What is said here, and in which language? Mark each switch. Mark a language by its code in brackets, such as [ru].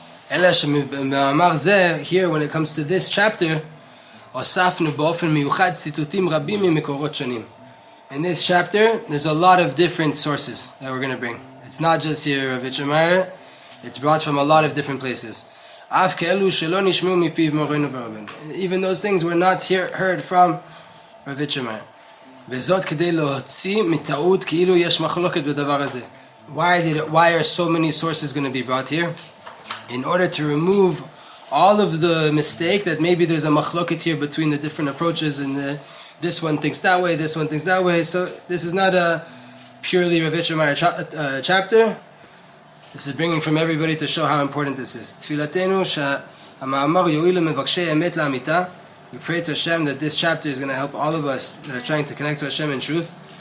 [he] Ela shemamar zeh, [en] here when it comes to this chapter, [he] osafnu baofen miyuchad tzitutim rabim mimekorot shonim. [en] In this chapter, there's a lot of different sources that we're going to bring. It's not just here Rav Yitzchak, it's brought from a lot of different places. [he] Af keelu shelo nishmu mipiv moreinu v'raben. [en] Even those things were not heard from Rav Yitzchak. [he] וזאת כדי להוציא מטעות כאילו יש מחלוקת בדבר הזה. [en] Why are so many sources going to be brought here? In order to remove all of the mistake that maybe there's a מחלוקת here between the different approaches, and the, this one thinks that way, this one thinks that way. So this is not a purely Rav Yitzchak Meir chapter. This is bringing from everybody to show how important this is. [he] תפילתנו שהמאמר יועיל למבקשי אמת לעמיתה. [en] We pray to Hashem that this chapter is going to help all of us that are trying to connect to Hashem in truth.